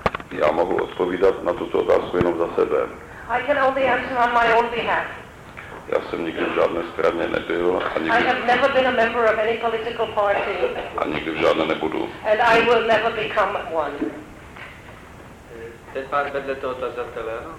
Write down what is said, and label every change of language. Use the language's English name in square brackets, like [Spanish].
[Czech] já mohu odpovídat na tuto otázku jenom za sebe. [English] I can only answer on my own behalf. [Czech] Já jsem nikdy v žádné straně nebyl a nikdy. [English] I have never been a member of any political party. [Czech] A nikdy v žádné nebudu. [English] And I will never become one. [Czech] Teď pár vedle toho tazatele.